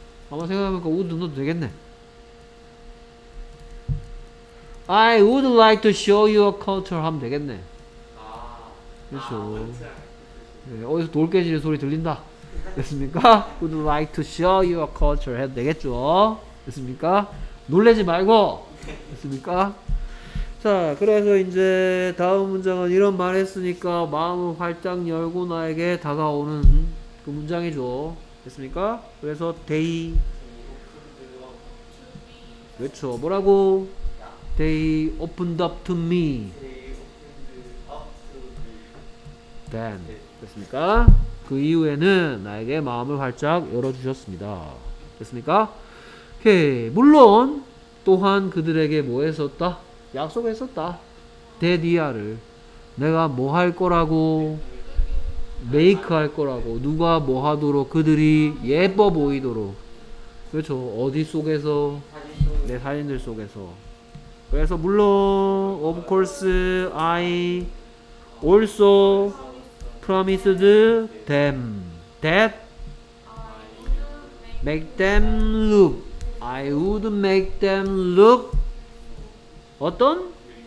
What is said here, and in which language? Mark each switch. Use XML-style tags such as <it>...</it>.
<ko>가만 생각해보니까 우드 넣어도 되겠네.</ko> <en>I would like to show your culture</en> <ko>하면 되겠네. 그렇죠. 네, 어디서 돌 깨지는 소리 들린다. 됐습니까?</ko> <en>Would like to show your culture</en> <ko>해도 되겠죠. 됐습니까? 놀래지 말고! 됐습니까? 자, 그래서 이제 다음 문장은 이런 말 했으니까 마음을 활짝 열고 나에게 다가오는 그 문장이죠. 됐습니까? 그래서 they 그렇죠. 뭐라고?</ko> <en>They opened up to me.</en> <ko>Then 됐습니까? 그 이후에는 나에게 마음을 활짝 열어주셨습니다. 됐습니까? 오케이. 물론 또한 그들에게 뭐 했었다? 약속했었다. 데디아를 내가 뭐 할 거라고 메이크 할 거라고 누가 뭐 하도록 그들이 예뻐 보이도록 그렇죠. 어디 속에서? 내 사진들 속에서. 그래서 물론</ko> <en>of course I also promised them that make them look I would make them look 어떤?</en>